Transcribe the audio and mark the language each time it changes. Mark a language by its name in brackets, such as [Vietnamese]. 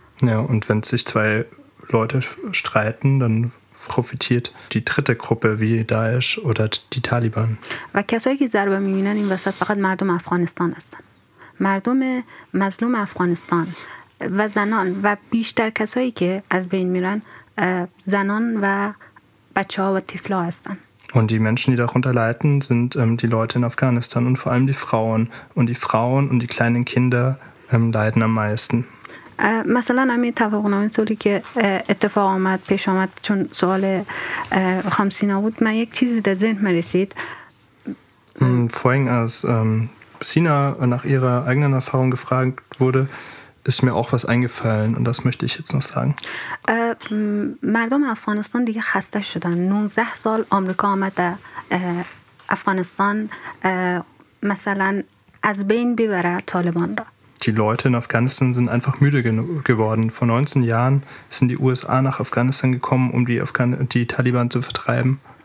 [German] Ja, und wenn sich zwei Leute streiten, dann profitiert die dritte Gruppe wie Daesh oder die Taliban. [Persian] و کسایی که ضربه می‌بینن این وسط فقط مردم افغانستان هستن. مردم مظلوم افغانستان و زنان و بیشتر کسایی که از بین میرن زنان و بچه‌ها و طفل‌ها هستن. [German] Und die Menschen, die darunter leiden, sind die Leute in Afghanistan und vor allem die Frauen und die kleinen Kinder leiden am meisten? [Persian] مثلا همین توافقنامه سولی که اتفاق آمد پیش آمد چون سوال خمسینا بود من یک چیزی در ذهن می رسید [German] Vorhin als Sina nach ihrer eigenen Erfahrung gefragt wurde, ist mir auch was eingefallen und das möchte ich jetzt noch sagen. [Persian] مردم افغانستان دیگه خسته شدن. 19 سال آمریکا آمد افغانستان مثلا از بین ببره طالبان را. [German] Die Leute in Afghanistan sind einfach müde geworden. Vor 19 Jahren sind die USA nach Afghanistan gekommen, um die Taliban zu vertreiben.